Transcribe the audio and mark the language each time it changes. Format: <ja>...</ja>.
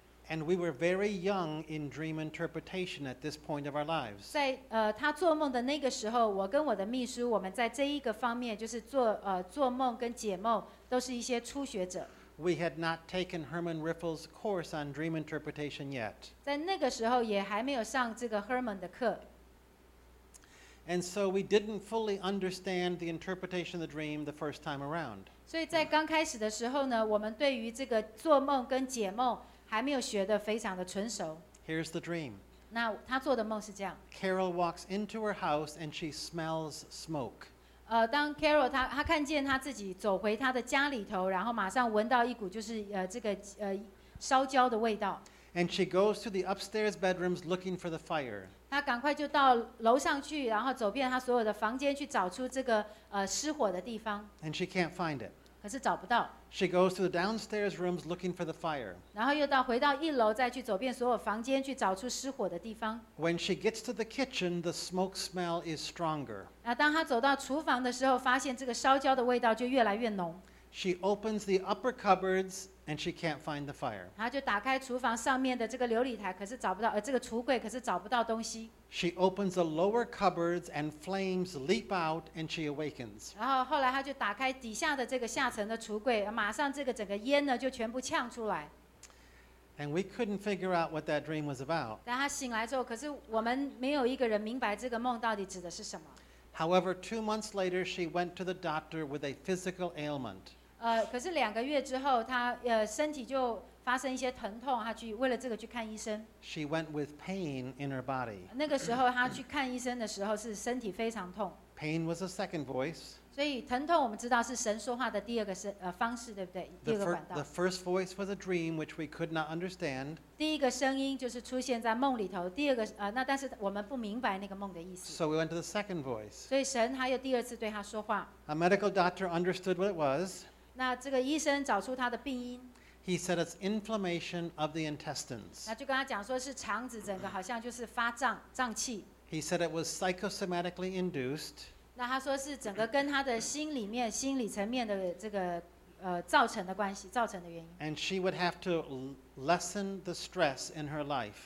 <en>And we were very young in dream interpretation at this point of our lives.</en> <zh>在她做梦的那个时候，我跟我的秘书，我们在这一个方面就是做梦跟解梦，都是一些初学者。</zh> <en>We had not taken Herman Riffle's course on dream interpretation yet.</en> <zh>在那个时候也还没有上这个 Herman 的课。</zh> <en>And so we didn't fully understand the interpretation of the dream the first time around.</en> <zh>所以在刚开始的时候呢，我们对于这个做梦跟解梦还没有学得非常的纯熟。</zh> <en>Here's the dream.</en> <zh>那她做的梦是这样。</zh> <en>Carol walks into her house and she smells smoke.</en> <zh>当 Carol 她看见她自己走回她的家里头，然后马上闻到一股就是这个烧焦的味道。</zh> <en>And she goes to the upstairs bedrooms looking for the fire.</en> <zh>她赶快就到楼上去，然后走遍她所有的房间去找出这个失火的地方。</zh> <en>And she can't find it.</en> <zh>可是找不到。</zh> <en>She goes to the downstairs rooms looking for the fire.</en> <zh>然后又到回到一楼，再去走遍所有房间，去找出失火的地方。</zh> <en>When she gets to the kitchen, the smoke smell is stronger.</en> <zh>那当她走到厨房的时候，发现这个烧焦的味道就越来越浓。</zh> <en>She opens the upper cupboards and she can't find the fire.</en> <zh>她就打开厨房上面的这个琉璃台，可是找不到，这个橱柜可是找不到东西。</zh> <en>She opens the lower cupboards and flames leap out and she awakens.</en> <zh>然后后来她就打开底下的这个下层的橱柜，马上这个整个烟呢就全部呛出来。</zh> <en>And we couldn't figure out what that dream was about.</en> <zh>但她醒来之后，可是我们没有一个人明白这个梦到底指的是什么。</zh> <en>However, 2 months later, she went to the doctor with a physical ailment.</en> <zh>可是两个月之后，她身体就发生一些疼痛，她去为了这个去看医生。</zh> <en>She went with pain in her body.</en> <zh>那个时候她去看医生的时候是身体非常痛。</zh> <en>Pain was a second voice.</en> <zh>所以疼痛我们知道是神说话的第二个方式，对不对？第二个管道。</zh> <en>The first voice was a dream which we could not understand.</en> <zh>第一个声音就是出现在梦里头，第二个那但是我们不明白那个梦的意思。</zh> <en>So we went to the second voice.</en> <zh>所以神还有第二次对他说话。</zh> <en>A medical doctor understood what it was.</en> <zh>那这个医生找出他的病因。</zh> <en>He said it's inflammation of the intestines.</en> <zh>那就跟他讲说是肠子整个好像就是发胀，胀气。</zh> <en>He said it was psychosomatically induced.</en> <zh>那他说是整个跟他的心里面、心理层面的这个造成的关系，造成的原因。</zh> <en>And she would have to lessen the stress in her life.</en>